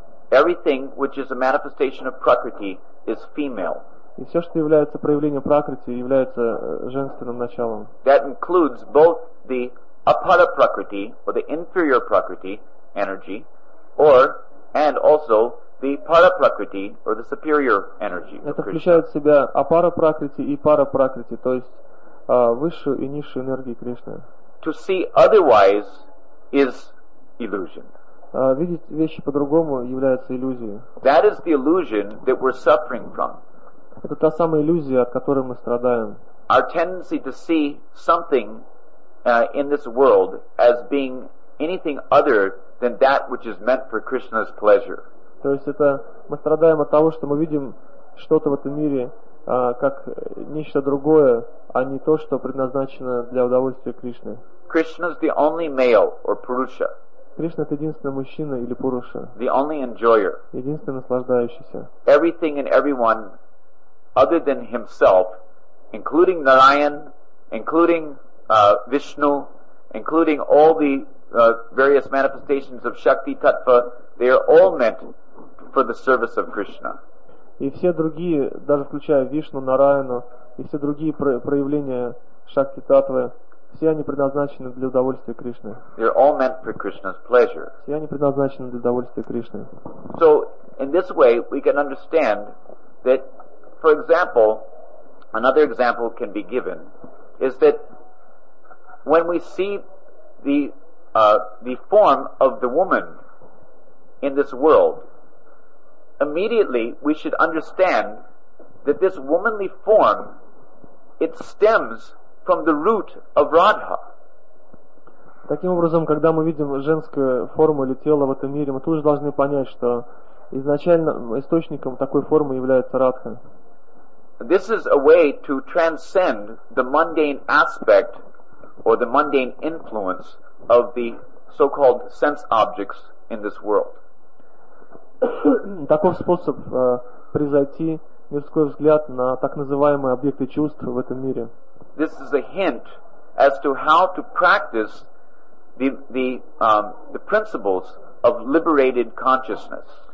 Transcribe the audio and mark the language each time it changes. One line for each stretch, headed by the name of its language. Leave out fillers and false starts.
English: Everything which is a manifestation of prakriti is female.
Russian: И все, что является проявлением прокрити, является женственным началом.
English: That includes both the apara prakriti or the inferior prakriti energy, or and also the para prakriti or the superior energy.
Russian: Это включает в себя апара пракрити и пара пракрити, то есть высшую и низшую энергию Кришны.
English: To see otherwise is illusion.
Russian: Видеть вещи по-другому является иллюзией.
English: That is the illusion that we're suffering from.
Russian: Это та самая иллюзия, от которой мы страдаем.
English: our tendency to see something in this world as being anything other than that which is meant for Krishna's pleasure.
Russian: То есть это мы страдаем от того, что мы видим что-то в этом мире как нечто другое, а не то, что предназначено для удовольствия Кришны.
English: Krishna is the only male or purusha.
Russian: Кришна это единственный мужчина или пуруша.
English: The only enjoyer.
Russian: Единственный наслаждающийся.
English: Everything and everyone other than himself, including Narayan, including Vishnu, including all the various manifestations of Shakti Tattva, they are all meant for the service of Krishna.
Russian: И все другие, даже включая Вишну, Нараяну, и все другие проявления Шакти Таттвы, все они предназначены для удовольствия Кришны.
English: They're all meant for Krishna's pleasure.
Russian: Все они предназначены для удовольствия Кришны.
English: So, in this way, we can understand that, for example, another example can be given, is that when we see the form of the woman in this world, immediately we should understand that this womanly form, it stems from the root of Radha.
Russian: Таким образом, когда мы видим женскую форму или тело в этом мире, мы тут же должны понять, что изначально источником такой формы является Радха.
English: This is a way to transcend the mundane aspect or the mundane influence of the so-called sense objects in this world.
Russian: Таков способ превзойти мирской взгляд на так называемые объекты чувств в этом мире.
English: This is a hint as to how to practice the principles of liberated consciousness.